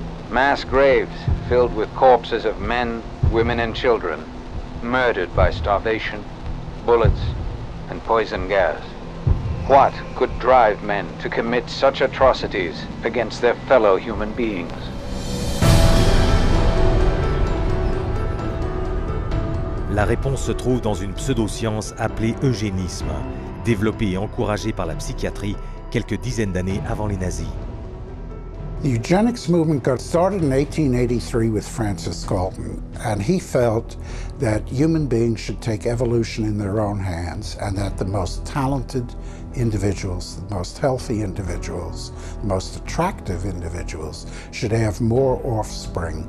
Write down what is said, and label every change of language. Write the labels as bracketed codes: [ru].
[en] Mass graves filled with corpses of men, women, and children murdered by starvation, bullets, and poison gas. What could drive men to commit such atrocities against their fellow human beings? [fr] La réponse se trouve dans une pseudo-science appelée eugénisme, développée et encouragée par la psychiatrie quelques dizaines d'années avant les nazis. [en] The eugenics movement got started in 1883 with Francis Galton, and he felt that human beings should take evolution in their own hands, and that the most talented individuals, the most healthy individuals, the most attractive individuals should have more offspring.